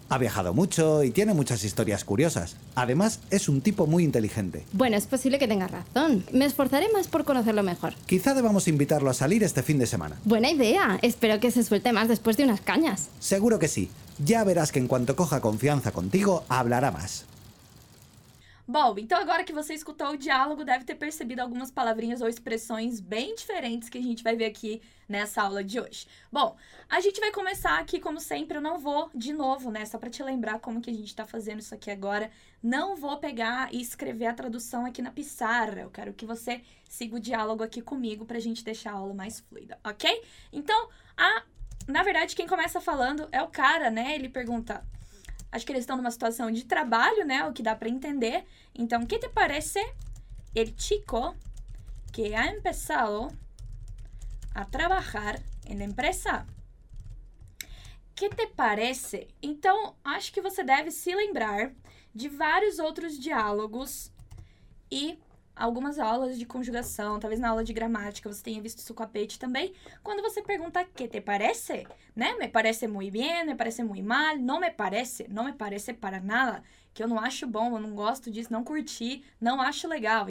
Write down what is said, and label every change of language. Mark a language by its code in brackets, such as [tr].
[es] Ha viajado mucho y tiene muchas historias curiosas. Además, es un tipo muy inteligente. Bueno, es posible que tengas razón. Me esforzaré más por conocerlo mejor. Quizá debamos invitarlo a salir este fin de semana. Buena idea. Espero que se suelte más después de unas cañas. Seguro que sí. Ya verás que en cuanto coja confianza contigo, hablará más. [pt] Bom, então agora que você escutou o diálogo, deve ter percebido algumas palavrinhas ou expressões bem diferentes que a gente vai ver aqui nessa aula de hoje. Bom, a gente vai começar aqui, como sempre, eu não vou de novo, né? Só para te lembrar como que a gente tá fazendo isso aqui agora. Não vou pegar e escrever a tradução aqui na pissarra. Eu quero que você siga o diálogo aqui comigo pra gente deixar a aula mais fluida, ok? Então, na verdade, quem começa falando é o cara, né? Ele pergunta... Acho que eles estão numa situação de trabalho, né? O que dá para entender. [es] Então, ¿qué te parece el chico que ha empezado a trabajar en la empresa? ¿Qué te parece? [pt] Então, acho que você deve se lembrar de vários outros diálogos e algumas aulas de conjugação, talvez na aula de gramática você tenha visto isso com a Pete também, quando você pergunta [es] que te parece, [pt] né? [es] Me parece muy bien, me parece muy mal, [pt] não me parece para nada, que eu não acho bom, eu não gosto disso, não curti, não acho legal.